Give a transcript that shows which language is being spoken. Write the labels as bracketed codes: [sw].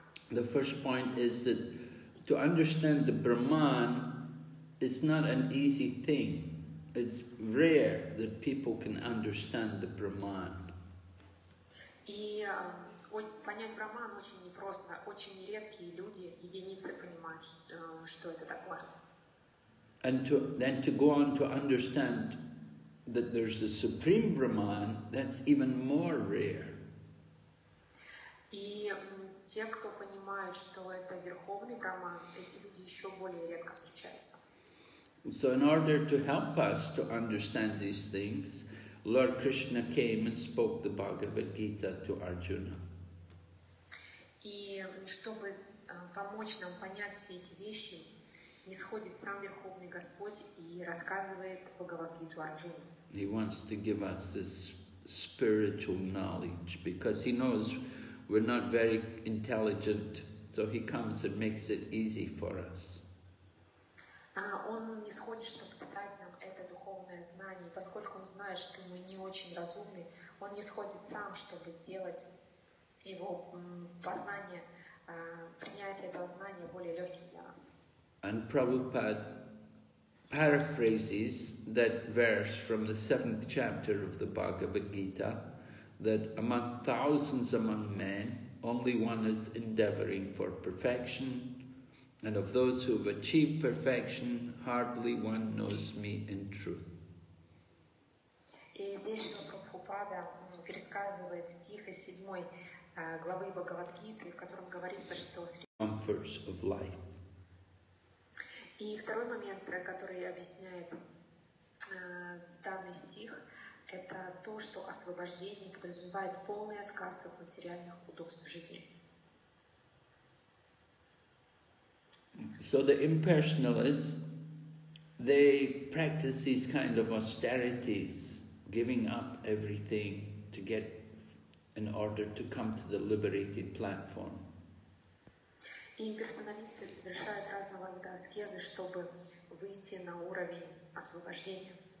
[en] The first point is that to understand the Brahman is not an easy thing. It's rare that people can understand the Brahman. [ru] И понять Брахман очень непросто. Очень редкие люди, единицы понимают, что это такое. [en] And to go on to understand that there's a supreme Brahman, that's even more rare. [ru] И те, кто понимают, что это верховный Брахман, эти люди еще более редко встречаются. [en] So in order to help us to understand these things, Lord Krishna came and spoke the Bhagavad Gita to Arjuna. [ru] И чтобы помочь нам понять все эти вещи, нисходит сам Верховный Господь и рассказывает Бхагавад-гиту Арджуне. [en] He wants to give us this spiritual knowledge because he knows we're not very intelligent So he comes and makes it easy for us. [ru] Он не сходит, чтобы дать нам это духовное знание, поскольку он знает, что мы не очень разумны, он не сходит сам, чтобы сделать его познание, принятие этого знания более легким для нас. [en] And Prabhupada paraphrases that verse from the 7th chapter of the Bhagavad Gita, that among thousands among men, only one is endeavoring for perfection, and of those who have achieved perfection, hardly one knows me in truth. [ru] И здесь Прабхупада пересказывает стих из 7 главы Бхагавад Гиты, в котором говорится, что [en] comforts of life. [ru] И второй момент, который объясняет данный стих, это то, что освобождение подразумевает полный отказ от материальных удобств жизни. [en] So the impersonalists, they practice these kind of austerities, giving up everything to get in order to come to the liberated platform. [ru] И имперсоналисты совершают разного рода аскезы, чтобы выйти на уровень освобождения.